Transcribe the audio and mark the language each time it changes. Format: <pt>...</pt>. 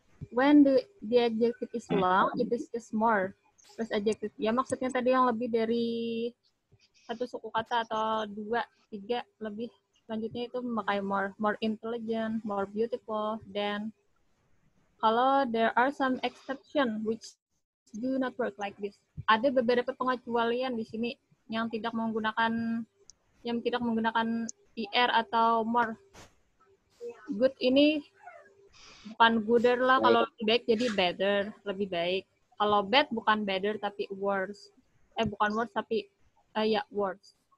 <en>When the adjective is long, it is just more. Plus adjective,</en> <id>ya maksudnya tadi yang lebih dari satu suku kata atau dua, tiga, lebih. Selanjutnya itu memakai more,</id> <en>more intelligent, more beautiful than. Kalau there are some exception which do not work like this.</en> <id>Ada beberapa pengecualian di sini yang tidak menggunakan, yang tidak menggunakan ir atau more. Good ini bukan gooder lah, baik. Kalau lebih baik jadi better, lebih baik. Kalau bad bukan better tapi worse. Eh bukan worse tapi ya worse.</id>